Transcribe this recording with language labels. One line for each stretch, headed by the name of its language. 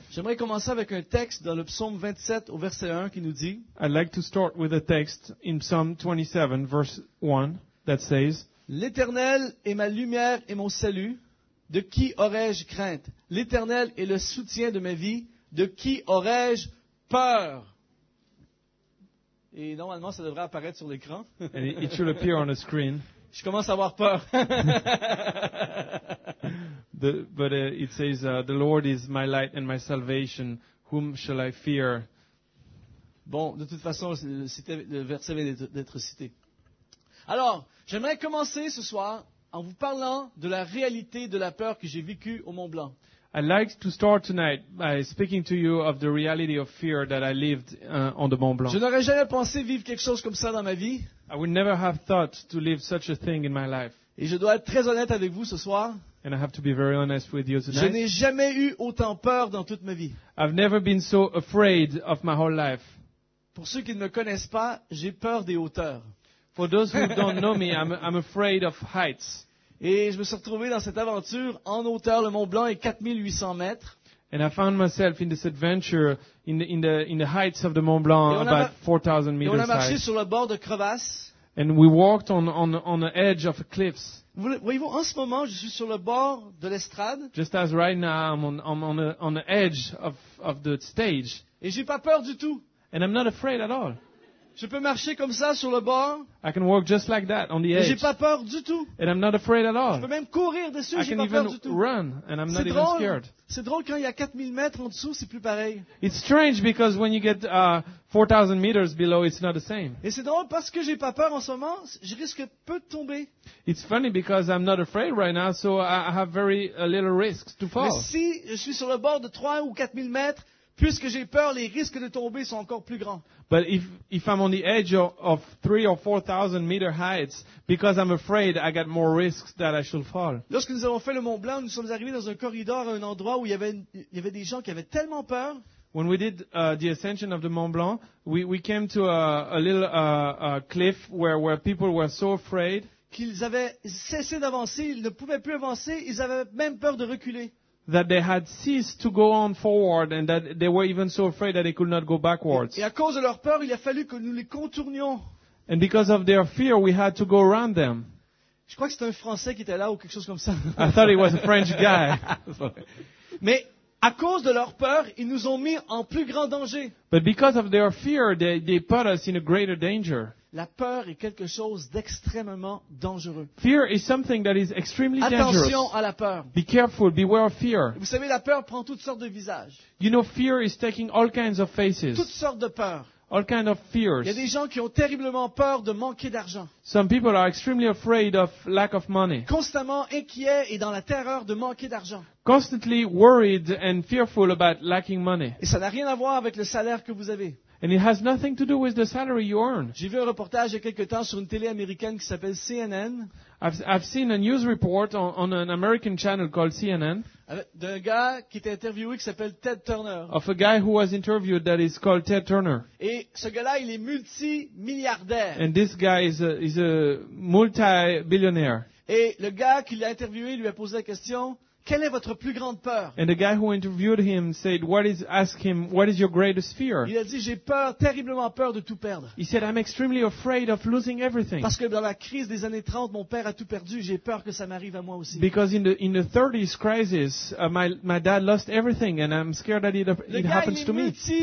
French: J'aimerais commencer avec un texte dans le psaume 27 au verset 1 qui nous dit.
English: I'd like to start with a text in Psalm 27, verse 1, that says.
French: L'Éternel est ma lumière et mon salut. De qui aurais-je crainte? L'Éternel est le soutien de ma vie. De qui aurais-je peur? Et normalement, ça devrait apparaître sur l'écran.
English: And it should appear on the screen.
French: Je commence à avoir peur.
English: The Lord is my light and my salvation. Whom shall I fear?
French: Bon, de toute façon, le verset vient d'être cité. Alors, j'aimerais commencer ce soir en vous parlant de la réalité de la peur que j'ai vécue au Mont Blanc.
English: I'd like to start tonight by speaking to you of the reality of fear that I lived on the Mont Blanc.
French: Je n'aurais jamais pensé vivre quelque chose comme ça dans ma vie.
English: I would never have thought to live such a thing in my life.
French: Et je dois être très honnête avec vous ce soir.
English: And I have to be very honest with you tonight.
French: Je n'ai jamais eu autant peur dans toute ma vie.
English: I've never been so afraid of my whole life.
French: Pour ceux qui ne me connaissent pas, j'ai peur des hauteurs.
English: For those who don't know me, I'm afraid of heights.
French: Et je me suis retrouvé dans cette aventure en hauteur, le Mont Blanc est 4800 mètres.
English: And I found myself in this adventure in the heights of the Mont Blanc, about 4000 meters high.
French: Et on a marché sur le bord de crevasses.
English: And we walked on the edge of cliffs.
French: Voyez-vous, en ce moment, je suis sur le bord de l'estrade.
English: Just as right now, I'm on the edge of the stage.
French: Et j'ai pas peur du tout.
English: And I'm not afraid at all.
French: Je peux marcher comme ça sur le bord.
English: I can walk just like that on the edge.
French: J'ai pas peur du tout.
English: And I'm not afraid at all.
French: Je peux même courir dessus, j'ai pas peur du tout.
English: Run and I'm not even scared.
French: C'est drôle quand il y a 4000 mètres en dessous, c'est plus pareil.
English: It's strange because when you get 4000 meters below, it's not the same.
French: Et c'est drôle parce que j'ai pas peur en ce moment, je risque peu de tomber.
English: It's funny because I'm not afraid right now, so I have very little risks to fall.
French: Mais si je suis sur le bord de 3 ou 4000 mètres, puisque j'ai peur, les risques de tomber sont encore plus grands.
English: But if I'm on the edge of 3 or 4,000 meter heights, because I'm afraid, I got more risks that I should fall.
French: Lorsque nous avons fait le Mont Blanc, nous sommes arrivés dans un corridor à un endroit où il y avait des gens qui avaient tellement peur.
English: When we did the ascension of the Mont Blanc, we came to a little cliff where people were so afraid.
French: Qu'ils avaient cessé d'avancer, ils ne pouvaient plus avancer, ils avaient même peur de reculer.
English: That they had ceased to go on forward and that they were even so afraid that they could not go backwards.
French: Et à cause de leur peur, il a fallu que nous les contournions.
English: And because of their fear, we had to go around them.
French: Je crois que c'était un Français qui était là ou quelque chose comme ça.
English: I thought it was a French guy.
French: Mais à cause de leur peur, ils nous ont mis en plus grand danger.
English: But because of their fear, they put us in a greater danger.
French: La peur est quelque chose d'extrêmement dangereux.
English: Fear is something that is extremely dangerous.
French: Attention à la peur.
English: Be careful, beware of fear.
French: Vous savez, la peur prend toutes sortes de visages.
English: You know, fear is taking all kinds of faces.
French: Toutes sortes de peurs.
English: All kinds of fears.
French: Il y a des gens qui ont terriblement peur de manquer d'argent.
English: Some people are extremely afraid of lack of money.
French: Constamment inquiets et dans la terreur de manquer d'argent.
English: Constantly worried and fearful about lacking money.
French: Et ça n'a rien à voir avec le salaire que vous avez.
English: And it has nothing to do with the salary you earn.
French: J'ai vu un reportage il y a quelque temps sur une télé américaine qui s'appelle CNN.
English: I've seen a news report on an American channel called CNN.
French: D'un gars qui était interviewé qui s'appelle Ted Turner.
English: Of a guy who was interviewed that is called Ted Turner.
French: Et ce gars-là, il est multimilliardaire.
English: And this guy is a multi-billionaire.
French: Et le gars qui l'a interviewé lui a posé la question. Quelle est votre plus grande peur?
English: And the guy who interviewed him said, asked him, what is your greatest fear?
French: Il a dit, j'ai peur, terriblement peur de tout perdre.
English: He said, I'm extremely afraid of losing everything.
French: Parce que dans la crise des années 30, mon père a tout perdu, j'ai peur que ça m'arrive à moi aussi.
English: Because in the 30s crisis, my dad lost everything and I'm scared that it happens to me.